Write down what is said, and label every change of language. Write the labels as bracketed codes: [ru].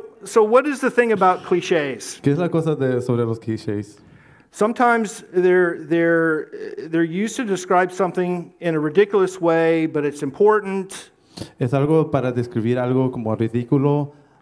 [en] So what is the thing about clichés? [es] ¿Qué es la cosa sobre los clichés? [en] Sometimes they're used to describe something in a ridiculous way, but it's important. [es] Es algo para describir algo como ridículo.